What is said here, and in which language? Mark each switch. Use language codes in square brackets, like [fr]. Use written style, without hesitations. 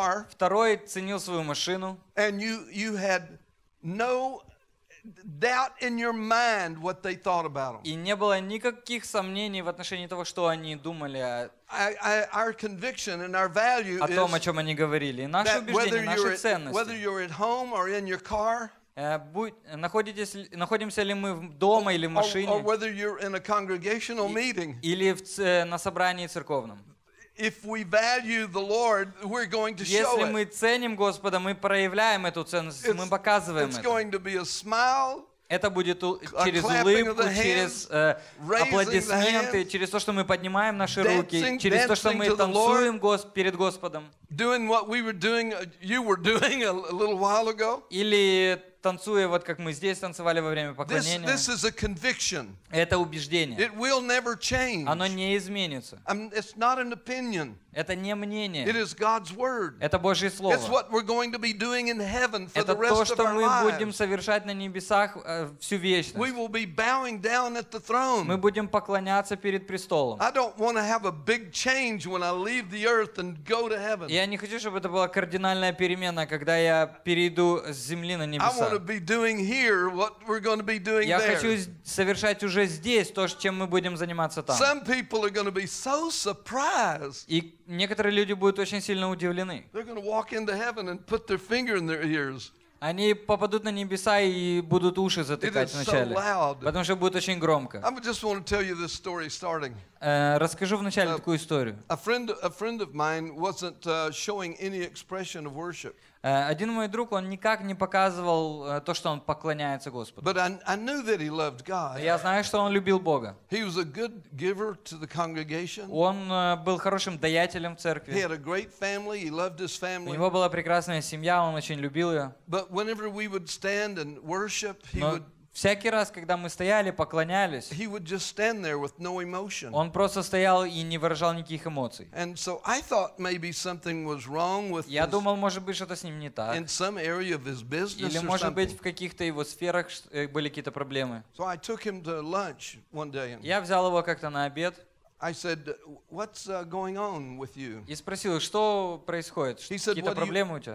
[ru] Второй ценил свою машину. [en] And you had no doubt in your mind what they thought about them. [ru] И не было никаких сомнений в отношении того, что они думали. [en] Our conviction and our value is [ru] о том, о чем они говорили, наши убеждения, наши ценности. [en] Whether you're at home or in your car. [ru] Находимся ли мы дома или в машине? [en] Or whether you're in a congregational meeting. [ru] Или на собрании церковном. [en] If we value the Lord, we're going to show it. [ru] Если мы ценим Господа, мы проявляем эту ценность, мы показываем это. [en] It's going to be a smile. [ru] Это будет через улыбку, через аплодисменты, через то, что мы поднимаем наши руки, через то, что мы танцуем перед Господом. [en] Doing what we were doing, you were doing a little while ago. [ru] Или танцуя, вот как мы здесь танцевали во время поклонения. [en] This is a conviction. [ru] Это убеждение. [en] It will never change. [ru] Оно не изменится. [en] It's not an opinion. [ru] Это не мнение. [en] It is God's word. [ru] Это Божье слово. [en] It's what we're going to be doing in heaven for the rest of our lives. [ru] Это то, что мы будем совершать на небесах всю вечность. [en] We will be bowing down at the throne. [ru] Мы будем поклоняться перед престолом. [en] I don't want to have a big change when I leave the earth and go to heaven. [ru] Я не хочу, чтобы это была кардинальная перемена, когда я перейду с земли на небеса. [en] I want to be doing here what we're going to be doing there. [ru] Я хочу совершать уже здесь то, чем мы будем заниматься там. [en] Some people are going to be so surprised. [ru] И некоторые люди будут очень сильно удивлены. [en] They're going to walk into heaven and put their finger in their ears. [ru] Они попадут на небеса и будут уши затыкать вначале, потому что будет очень громко. [en] I just want to tell you this story starting. [ru] Расскажу вначале такую историю. [en] A friend of mine wasn't showing any expression of worship. [ru] Один мой друг, он никак не показывал то, что он поклоняется Господу. [en] But I knew that he loved God. [ru] Я знаю, что он любил Бога. [en] He was a good giver to the congregation. [ru] Он был хорошим даятелем в церкви. [en] He had a great family. He loved his family. [ru] У него была прекрасная семья, он очень любил ее. [en] But whenever we would stand and worship, he would. [ru] Всякий раз, когда мы стояли, поклонялись, [en] he would just stand there with no emotion. [ru] Он просто стоял и не выражал никаких эмоций. [en] And so I thought maybe something was wrong with. [ru] Я думал, может быть, что-то с ним не так. [en] In some area of his business or something. [ru] Или, может быть, в каких-то его сферах были какие-то проблемы. [en] So I took him to lunch one day. [ru] Я взял его как-то на обед. [en] I said, "What's going on with you?" [ru] И спросил, что происходит, какие-то проблемы у тебя?